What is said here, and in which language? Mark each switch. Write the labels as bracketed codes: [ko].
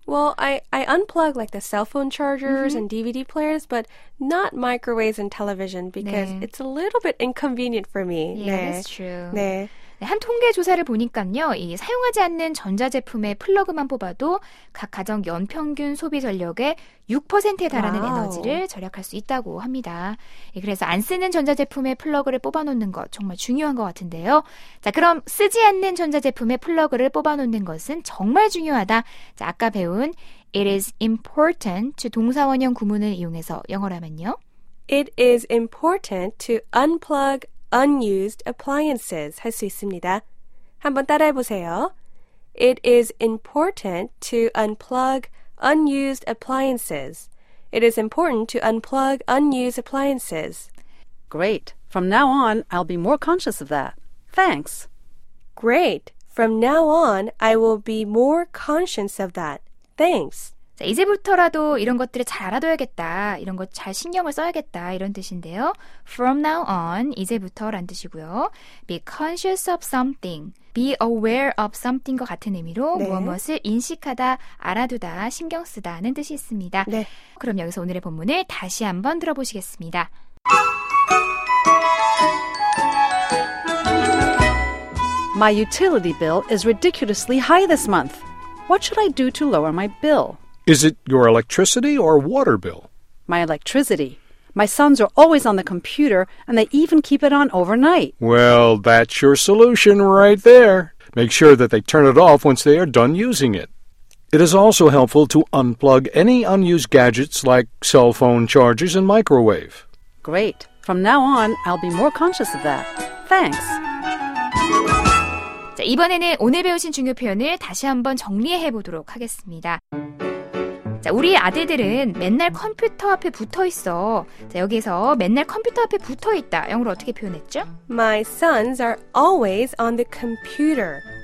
[en] Well, I unplug like the cell phone chargers mm-hmm. and DVD players, but not microwaves and television because 네. it's a little bit inconvenient for me. Yeah, 네. that's true. [ko] 네. 한 통계 조사를 보니까요, 이 사용하지 않는 전자제품의 플러그만 뽑아도 각 가정 연평균 소비 전력의 6%에 달하는 와우. 에너지를 절약할 수 있다고 합니다. 그래서 안 쓰는 전자제품의 플러그를 뽑아놓는 것 정말 중요한 것 같은데요. 자, 그럼 쓰지 않는 전자제품의 플러그를 뽑아놓는 것은 정말 중요하다. 자, 아까 배운 [en] It is important to [ko] 동사원형 구문을 이용해서 영어라면요. [en] It is important to unplug unused appliances [ko] 할 수 있습니다. 한번 따라해 보세요. [en] It is important to unplug unused appliances. It is important to unplug unused appliances. Great. From now on, I'll be more conscious of that. Thanks. Great. From now on, I will be more conscious of that. Thanks. [ko] 자, 이제부터라도 이런 것들을 잘 알아둬야겠다, 이런 것 잘 신경을 써야겠다 이런 뜻인데요. [en] From now on, [ko] 이제부터란 뜻이고요. [en] Be conscious of something, be aware of something과 [ko] 같은 의미로 [en] 네. [ko] 무엇을 인식하다, 알아두다, 신경 쓰다는 뜻이 있습니다. 네. 그럼 여기서 오늘의 본문을 다시 한번 들어보시겠습니다. [en] My utility bill is ridiculously high this month. What should I do to lower my bill? Is it your electricity or water bill? My electricity. My sons are always on the computer, and they even keep it on overnight. Well, that's your solution right there. Make sure that they turn it off once they are done using it. It is also helpful to unplug any unused gadgets like cell phone chargers and microwave. Great. From now on, I'll be more conscious of that. Thanks. [ko] 자, 이번에는 오늘 배우신 중요 표현을 다시 한번 정리해 보도록 하겠습니다. 자, 우리 아들들은 맨날 컴퓨터 앞에 붙어 있어. 자, 여기서 맨날 컴퓨터 앞에 붙어 있다. 영어로 어떻게 표현했죠? [en] My sons are always on the computer.